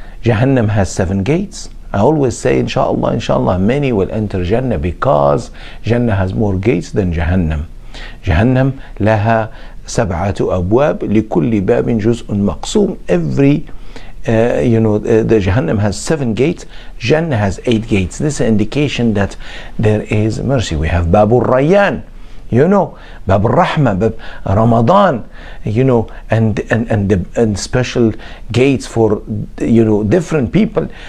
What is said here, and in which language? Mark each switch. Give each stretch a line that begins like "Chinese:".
English: جهنم has seven gates. I always say
Arabic: إن شاء الله
English: many will enter جنة because جنة has more gates than جهنم.
Arabic: جهنم لها سبعة أبواب لكل باب جزء مقسوم.
English: Every the جهنم has seven gates. جنة has eight gates. This is an indication that there is mercy. We have باب الريان. You know, باب الرحمة, باب رمضان, you know, and special gates for, you know, different people.